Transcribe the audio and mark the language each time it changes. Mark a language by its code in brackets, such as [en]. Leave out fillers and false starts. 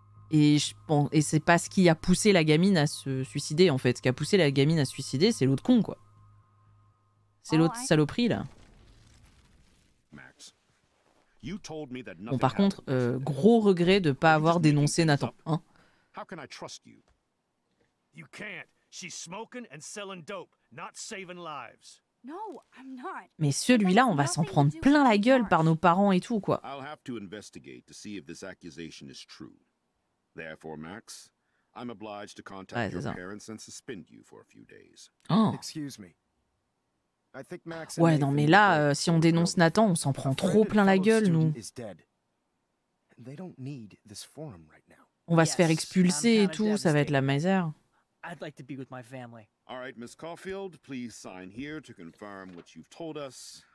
[fr] Et c'est pas ce qui a poussé la gamine à se suicider, en fait. Ce qui a poussé la gamine à se suicider, c'est l'autre con, quoi. C'est l'autre saloperie, là. [en] Max, you told me that [fr] bon, par contre, gros regret de pas avoir dénoncé Nathan, hein. [en] How can I trust you? You can't. She's smoking and selling dope, not saving lives. No, I'm not. [fr] Mais celui-là, on va s'en prendre plein la gueule par nos parents et tout, quoi. [en] I'll have to investigate to see if this accusation is true. Therefore, Max, I'm obliged to contact [fr] ouais, [en] your parents and suspend you for a few days. Oh. Excuse me. I think Max. [fr] Ouais, non, mais là, si on dénonce Nathan, on s'en prend trop plein la gueule, nous. [en] They don't need this forum right now. [fr] On va se faire expulser et tout, ça va être la misère. [en] I'd like to be with my family. All right, Miss Caulfield, please sign here to confirm what you've told us.